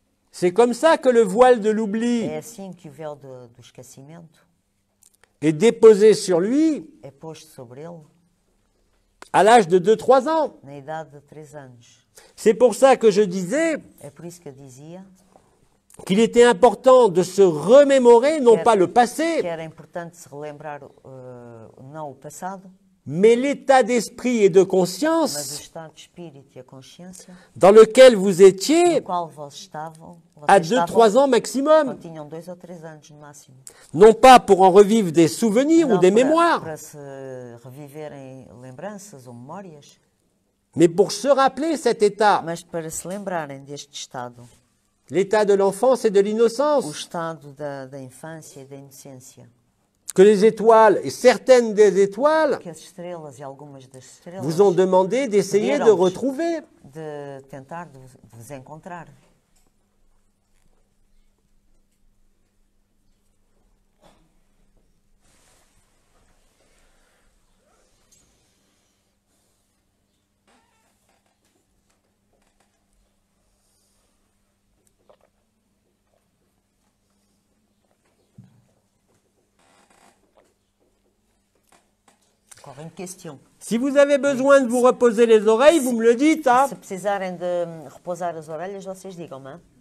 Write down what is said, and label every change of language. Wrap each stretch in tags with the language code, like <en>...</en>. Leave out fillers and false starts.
<fr>C'est comme ça que le voile de l'oubli.</fr> <pt>É assim que o véu do esquecimento.</pt> <fr>Est déposé sur lui,</fr> <pt>é posto sobre ele,</pt> <fr>à l'âge de 2-3 ans.</fr> <pt>Na idade de 3 anos.</pt> <fr>C'est pour ça que je disais,</fr> <pt>é por isso que eu dizia,</pt> <fr>qu'il était important de se remémorer, non pas le passé,</fr> <pt>que era importante se relembrar, não o passado,</pt> <fr>mais l'état d'esprit et de conscience,</fr> <pt>mas o estado de espírito e a consciência,</pt> <fr>dans lequel vous étiez,</fr> <pt>no qual vós estavam,</pt> <fr>à 2-3 ans maximum,</fr> <pt>ou tinham 2 ou 3 anos no máximo,</pt> <fr>non pas pour en revivre des souvenirs,</fr> <pt>não</pt> <fr>ou des</fr> <pt>para,</pt> <fr>mémoires,</fr> <pt>para se reviverem lembranças ou memórias,</pt> <fr>Mais pour se rappeler cet état.</fr> <pt>Mas para se lembrarem deste estado.</pt> <fr>L'état de l'enfance et de l'innocence.</fr> <pt>O estado da, da infância e da inocência.</pt> <fr>Que les étoiles et certaines des étoiles</fr> <pt>que as estrelas e algumas das estrelas</pt> <fr>vous ont demandé d'essayer de retrouver.</fr> <pt>De tentar de vos encontrar.</pt> <fr>Une question. Si vous avez besoin de vous reposer les oreilles,</fr> <pt>si,</pt> <fr>vous me le dites, hein. Si</fr> <pt>precisarem de reposar as orelhas, vocês digam-me.</pt>